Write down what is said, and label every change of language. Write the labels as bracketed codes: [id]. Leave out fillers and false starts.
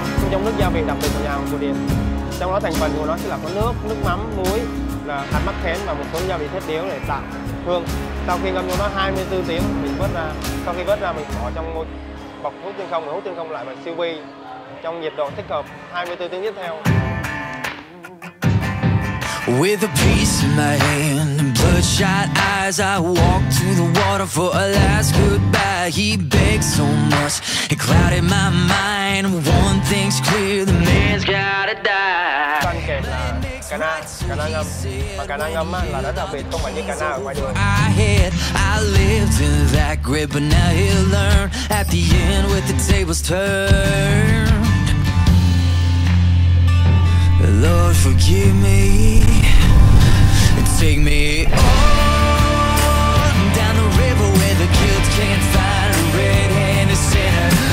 [vi] Trong nước gia vị đặc biệt của nhà hàng cổ điển, trong đó thành phần của nó sẽ là có nước mắm, muối, là hạt mắc khén và một số gia vị thiết yếu để tạo hương. Sau khi ngâm cho nó 24 tiếng mình vớt ra, sau khi vớt ra mình bỏ trong một bọc hút chân không, hút chân không lại và siêu vi trong nhiệt độ thích hợp 24 tiếng tiếp theo. [en] With a piece in my hand, bloodshot eyes, I walk to the water for a last goodbye. He begged so much, it clouded my mind. One thing's clear, the man's gotta die. [vi] Cần kể là cana ngâm. Và cana ngâm là rất đặc biệt, không phải như cana ở ngoài đường. [en] I had, I lived in that grip, but now he learned. At the end with the tables turned, Lord forgive me. Take me on down the river where the guilt can't find a red-handed sinner.